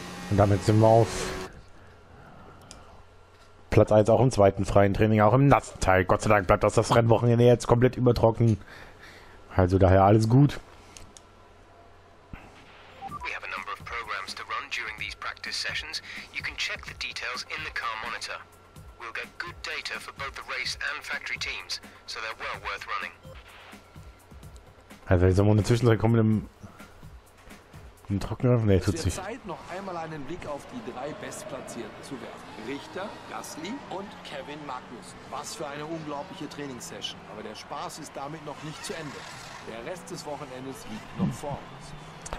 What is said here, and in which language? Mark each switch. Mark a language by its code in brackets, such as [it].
[de] Und damit sind wir auf Platz 1 auch im zweiten freien Training, auch im nassen Teil. Gott sei Dank bleibt das Rennwochenende jetzt komplett übertrocken. Also daher alles gut. [en] We have a number of programs to run during these practice sessions. You can check the details in the car monitor. We'll get good data for both the race and factory teams, so they're well worth running. [de] Also jetzt haben wir in der Zwischenzeit kommen im ein Trockner? Nee, tut sich. Zeit, noch einmal einen Blick auf die drei Bestplatzierten zu werfen. Richter, Gasly und Kevin Magnussen. Was für eine unglaubliche Trainingssession. Aber der Spaß ist damit noch nicht zu Ende. Der Rest des Wochenendes liegt noch vor uns.